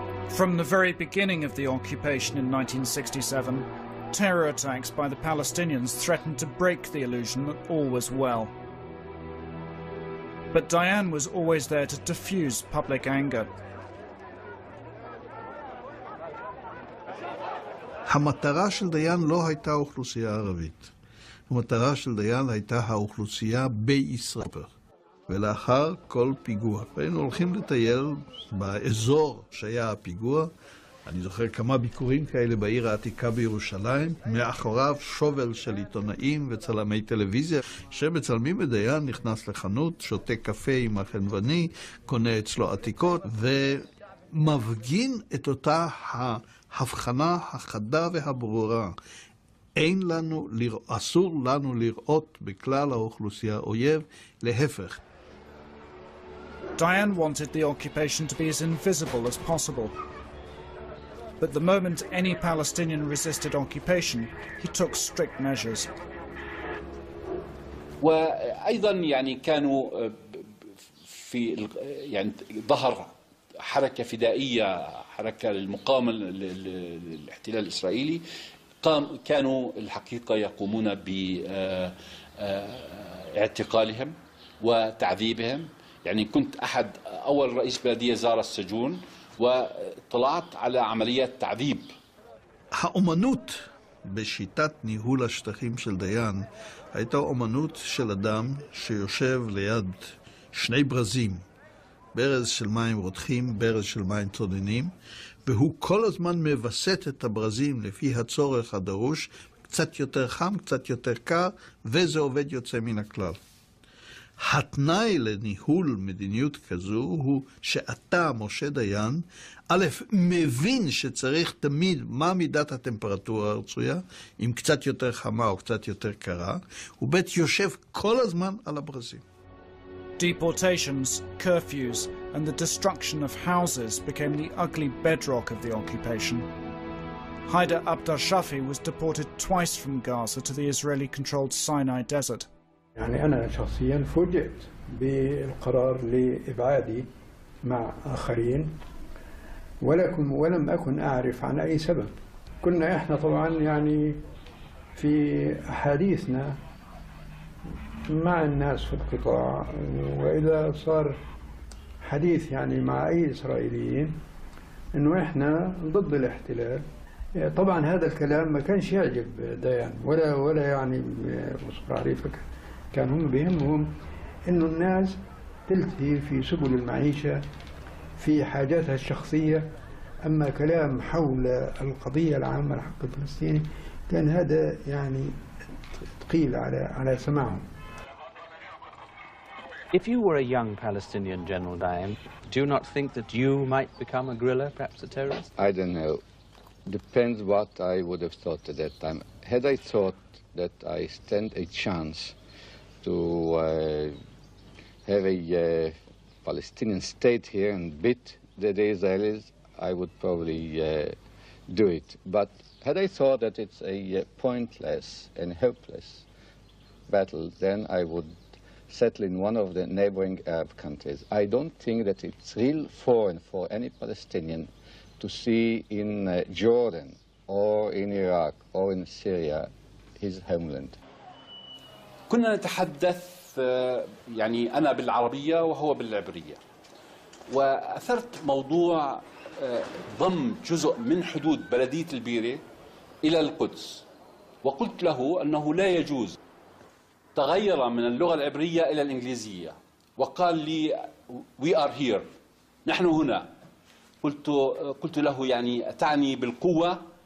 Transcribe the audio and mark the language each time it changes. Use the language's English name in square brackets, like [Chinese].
[English] From the very beginning of the occupation in 1967, terror attacks by the Palestinians threatened to break the illusion that all was well. But Dayan was always there to diffuse public anger. [Hebrew] המטרה של דיין לא הייתה אוכלוסייה ערבית. המטרה של דיין הייתה האוכלוסייה בישראל. ולאחר כל פיגוע, היינו הולכים לטייל באזור שהיה הפיגוע, אני זוכר כמה ביקורים כאלה בעיר העתיקה בירושלים, מאחוריו שובל של עיתונאים וצלמי טלוויזיה, שמצלמים את דיין, נכנס לחנות, שותה קפה עם החנווני, קונה אצלו עתיקות, ומפגין את אותה ההבחנה החדה והברורה. אין לנו, אסור לנו לראות בכלל האוכלוסייה אויב, להפך. [English] Dayan wanted the occupation to be as invisible as possible. But the moment any Palestinian resisted occupation, he took strict measures. [Arabic] وايضا يعني كانوا في يعني ظهر حركه فدائيه حركه المقاومه للاحتلال الاسرائيلي قام كانوا الحقيقه يقومون باعتقالهم وتعذيبهم يعني كنت احد اول رئيس بلديه زار السجون وطلعت على عمليات تعذيب [Hebrew] האומנות בשיטת ניהול השטחים של דיין הייתה אומנות של אדם שיושב ליד שני ברזים, ברז של מים רותחים, ברז של מים צוננים, והוא כל הזמן מבסט את הברזים לפי הצורך הדרוש, קצת יותר חם, קצת יותר קר, וזה עובד יוצא מן הכלל. התנאי לניהול מדיניות כזו הוא שאתה, משה דיין, א', מבין שצריך תמיד מה מידת הטמפרטורה הרצויה, אם קצת יותר חמה או קצת יותר קרה, וב', יושב כל הזמן על הברזים. [English] Deportations, curfews, and the destruction of houses became the ugly bedrock of the occupation. Haider Abdel Shafi was deported twice from Gaza to the Israeli-controlled Sinai Desert. [Arabic] يعني انا شخصيا فوجئت بالقرار لابعادي مع اخرين ولم اكن اعرف عن اي سبب كنا احنا طبعا يعني في حديثنا مع الناس في القطاع واذا صار حديث يعني مع اي اسرائيليين انه احنا ضد الاحتلال طبعا هذا الكلام ما كانش يعجب ديان ولا يعني مصرفك كان هم بهمهم انه الناس تلتهي في سبل المعيشه في حاجاتها الشخصيه اما كلام حول القضيه العامه لحق الفلسطيني كان هذا يعني ثقيل على سمعهم. [English] If you were a young Palestinian general, Diane, do you not think that you might become a guerrilla, perhaps a terrorist? I don't know. Depends what I would have thought at that time. Had I thought that I stand a chance to have a Palestinian state here and beat the Israelis, I would probably do it. But had I thought that it's a pointless and hopeless battle, then I would settle in one of the neighboring Arab countries. I don't think that it's real foreign for any Palestinian to see in Jordan or in Iraq or in Syria his homeland. [Arabic] كنا نتحدث يعني انا بالعربيه وهو بالعبريه واثرت موضوع ضم جزء من حدود بلديه البيره الى القدس وقلت له انه لا يجوز تغير من اللغه العبريه الى الانجليزيه وقال لي [English] we are here [Arabic] نحن هنا قلت له يعني تعني بالقوه